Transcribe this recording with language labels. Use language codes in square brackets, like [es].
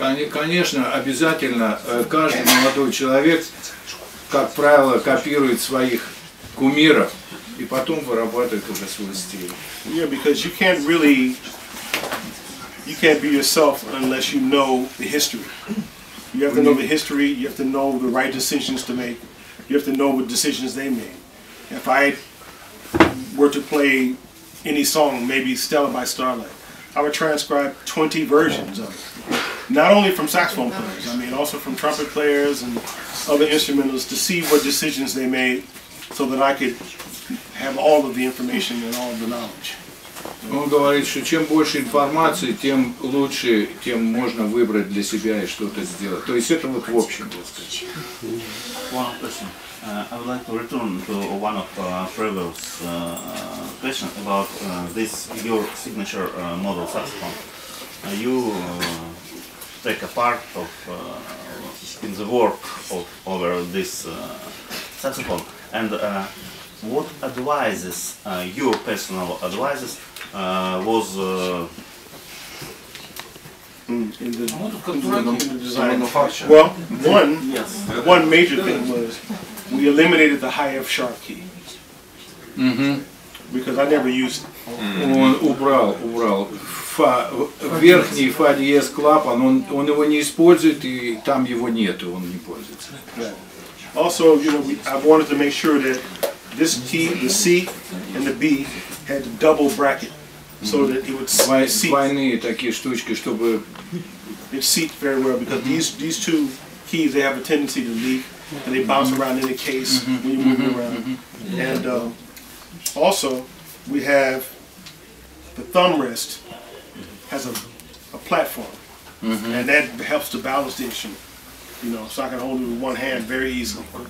[ru] Конечно, обязательно каждый молодой человек, как правило, копирует своих кумиров и потом вырабатывает уже свой стиль. [en] Yeah, because you can't really, you can't be yourself unless you know the history. You have to know the history, you have to know the right decisions to make, you have to know what decisions they made. If I were to play any song, maybe Stella by Starlight, I would transcribe 20 versions of it. Not only from saxophone players, I mean also from trumpet players and other instrumentalists to see what decisions they made so that I could have all of the information and all of the knowledge. [ru] Он говорит, что чем больше информации, тем лучше, тем можно выбрать для себя и что-то сделать. То есть это вот в общем. [en] One question. I would like to return to one of previous questions about this your signature model saxophone. You take a part of in the work of over this saxophone, and what advices your personal advices was in the design of function? Well, one yes. One major thing was we eliminated the high F sharp key. Mm-hmm. Because I never used it. [ru] Он убрал фа, верхний фа диез клапан, он его не использует, и там его нет, он не пользуется. [en] Yeah. Also, you know, I wanted to make sure that this key, the C and the B, had double bracket, so that it would seat. [ru] Двойные такие штучки, чтобы... [en] It seat very well, because these two keys, they have a tendency to leak, and they bounce around in the case when you move around. And also, we have the thumb rest has a platform, and that helps to balance the instrument, you know, so I can hold it with one hand very easily.